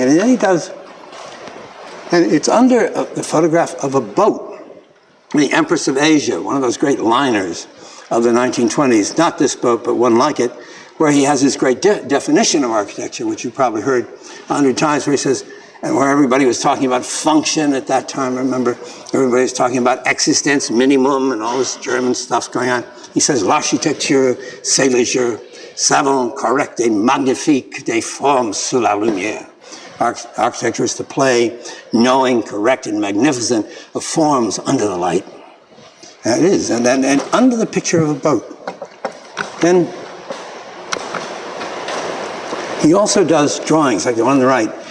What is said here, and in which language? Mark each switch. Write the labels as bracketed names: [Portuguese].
[English] And then he does, and it's under the photograph of a boat, the Empress of Asia, one of those great liners of the 1920s, not this boat, but one like it, where he has this great definition of architecture, which you probably heard 100 times, where he says, and where everybody was talking about function at that time. Remember, everybody was talking about Existenz Minimum and all this German stuff going on. [French] He says, l'architecture, c'est le jeu, savant correct et magnifique des formes sous la lumière. [English] Architecture is to play, knowing, correct, and magnificent of forms under the light. That is, and under the picture of a boat. Then he also does drawings, like the one on the right.